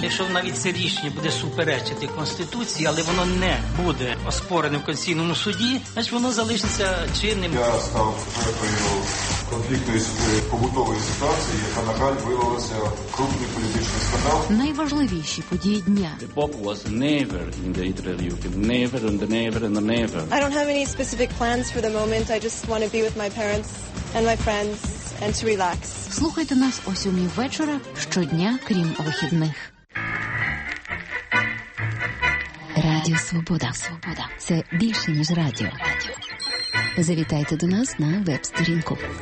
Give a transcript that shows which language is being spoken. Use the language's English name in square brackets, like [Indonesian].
[Ukrainian] Якщо навіть це рішення буде суперечити Конституції, але воно не буде оспорене в Конституційному суді, значить воно залишиться чинним. Я став жертвою конфліктної побутової ситуації, яка, на жаль, виявилася крупний політичний скандал. Найважливіші події дня. [English] The Pop was never in the interview. Never and never and never. I don't have any specific plans for the moment. I just want to be with my parents and my friends. And to relax. [Ukrainian] Слухайте нас о 7 вечора щодня, крім вихідних. Радіо Свобода. Свобода. Це більше, ніж радіо. Завітайте до нас на веб-сторінку.